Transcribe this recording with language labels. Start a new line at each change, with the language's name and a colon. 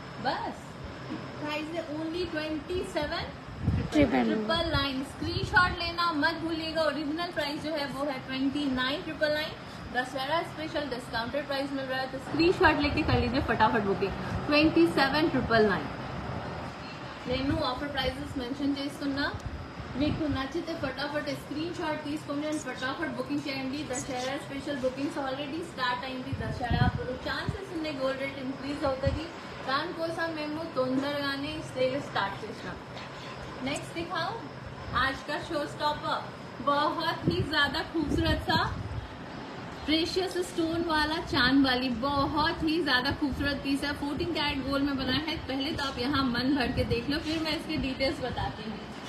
Hindi: बस। प्राइस है only 27,999। Screenshot लेना मत भूलिएगा, ओरिजिनल प्राइस जो है वो है 29,999। दशहरा स्पेशल डिस्काउंटेड प्राइस मिल रहा है, तो स्क्रीनशॉट लेके कर लीजिए फटाफट booking 27,999।
Telugu: Renu offer prices mention चेसुकुन्ना మీకు నచ్చితే ఫటాఫట్ స్క్రీన్ షాట్ తీసుకోండి అండ్ ఫటాఫట్ బుకింగ్ చేయండి. Dussehra special bookings already start అయింది దశహరా, అప్పుడు ఛాన్సెస్ ఉన్నాయి గోల్డ్ రేట్ ఇంక్రీజ్ అవుతుంది, దానికోసం మేము తొందరగానే సేల్స్ స్టార్ట్ చేసినాం.
Hindi: నెక్స్ట్ దిఖావు ఆజ్కా షో స్టాపర్ బహుత్ హీ జ్యాదా ఖూబ్సూరత్ సా प्रेशियस स्टोन वाला चांद वाली बहुत ही ज्यादा खूबसूरत पीस है, 14 कैरेट गोल्ड में बना है। पहले तो आप यहाँ मन भर के देख लो, फिर मैं इसके डिटेल्स बताती हूँ।